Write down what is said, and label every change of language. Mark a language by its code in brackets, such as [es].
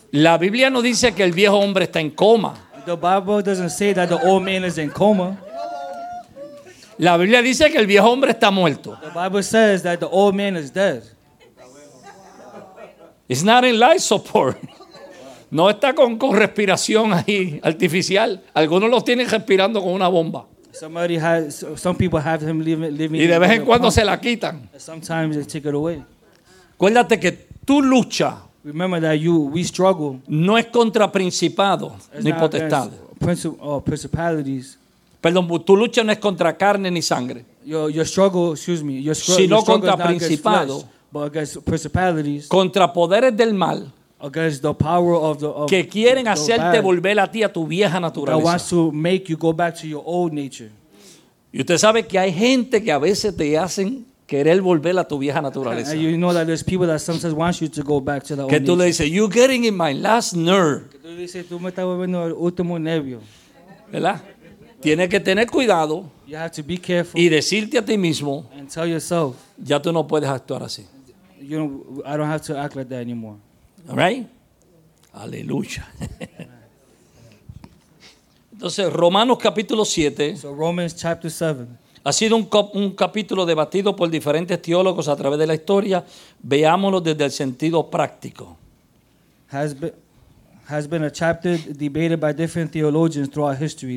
[es] La Biblia no dice que el viejo hombre está en coma. [en] The Bible doesn't say that the old man is in coma. [es] La Biblia dice que el viejo hombre está muerto. [en] The Bible says that the old man is dead. It's not in life support. [es] No está con respiración ahí artificial. Algunos los tienen respirando con una bomba. [en] Somebody has, some people have him leave me. [es] Y de vez en cuando se la quitan. [en] Sometimes they take it away. [es] Acuérdate que tu lucha. [en] Remember that we struggle. [es] No es contra principados ni potestades. [en] Principalities. [es] Perdón, tu lucha no es contra carne ni sangre. Sino contra principados. [en] But against principalities, [es] contra poderes del mal, [en] against the power of the [es] que quieren hacerte volver a ti a tu vieja naturaleza, [en] that wants to make you go back to your old nature. [es] Y usted sabe que hay gente que a veces te hacen querer volver a tu vieja naturaleza. [en] And you know that there's people that sometimes want you to go back to the old nature. [es] Que tú le dices, [en] you're getting in my last nerve. [es] Que tú dices, tú me estás volviendo el último nervio, ¿verdad? Tienes que tener cuidado. [en] You have to be careful. [es] Y decirte a ti mismo. [en] And tell yourself. [es] Ya tú no puedes actuar así. [en] You know, I don't have to act like that anymore. All right? Aleluya. [es] Entonces, Romanos capítulo 7. [en] So Romans chapter 7. [es] Ha sido un capítulo debatido por diferentes teólogos a través de la historia. Veámoslo desde el sentido práctico. [en] Has been a chapter debated by different theologians throughout history.